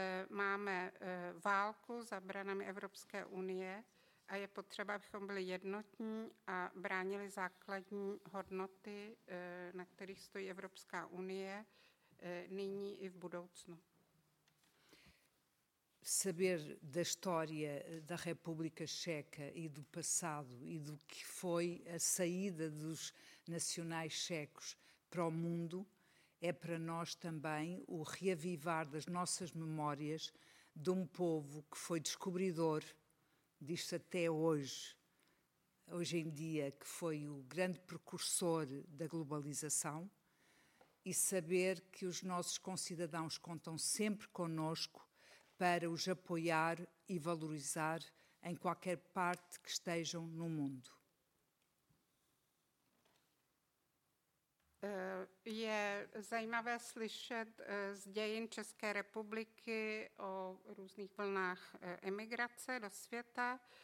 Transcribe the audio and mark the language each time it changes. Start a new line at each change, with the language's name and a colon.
Czech: Máme válku za branami Evropské unie a je potřeba, abychom byli jednotní a bránili základní hodnoty, na kterých stojí Evropská unie, nyní i v budoucnu.
Portuguese: Saber da história da República Checa e do passado e do que foi a saída dos nacionais checos para o mundo é para nós também o reavivar das nossas memórias de um povo que foi descobridor disto até hoje em dia, que foi o grande precursor da globalização, e saber que os nossos concidadãos contam sempre connosco para os apoiar e valorizar em qualquer parte que estejam no mundo.
Czech: Je zajímavé slyšet z dějin České republiky o různých vlnách emigrace do světa.